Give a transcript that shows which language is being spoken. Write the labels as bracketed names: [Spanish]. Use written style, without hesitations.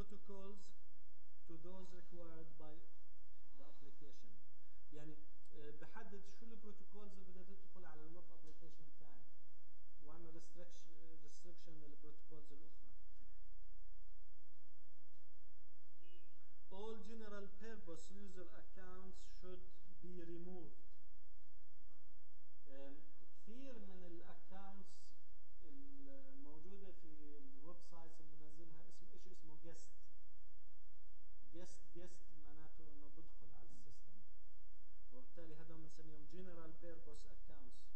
[English] calls to those required by the application. [Arabic] يعني بحدد شو البروتوكولز اللي بدها تدخل على الويب ابلكيشن تاعي واعمل ريستركشن للبروتوكولز الاخرى. [English] All general purpose user accounts should be removed. [Arabic] كثير من الاكونتس الموجوده في الويب سايتس اللي منزلها اسمه شيء اسمه guest. guest معناته انه بدخل على السيستم، وبالتالي هذا بنسميهم general purpose accounts.